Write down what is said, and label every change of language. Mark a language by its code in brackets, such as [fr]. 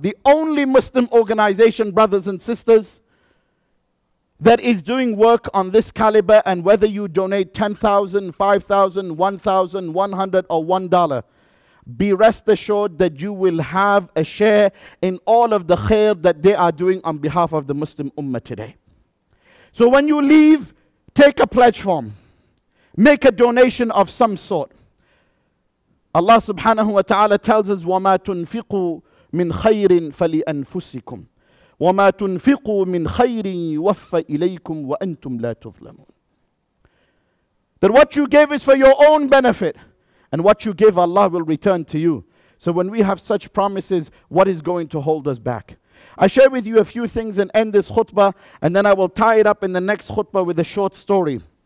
[en] The only Muslim organization, brothers and sisters, that is doing work on this caliber, and whether you donate $10,000, $5,000, $1,000, $100, or $1, be rest assured that you will have a share in all of the khair that they are doing on behalf of the Muslim Ummah today. So when you leave, take a pledge form. Make a donation of some sort. Allah subhanahu wa ta'ala tells us, [ar] وَمَا تُنْفِقُوا مِنْ خَيْرٍ فَلِأَنفُسِكُمْ وَمَا تُنْفِقُوا مِنْ خَيْرٍ يُوَفَّ إِلَيْكُمْ وَأَنْتُمْ لَا تُظْلَمُونَ. [en] That what you gave is for your own benefit, and what you give, Allah will return to you. So when we have such promises, what is going to hold us back? I share with you a few things and end this khutbah, and then I will tie it up in the next khutbah with a short story.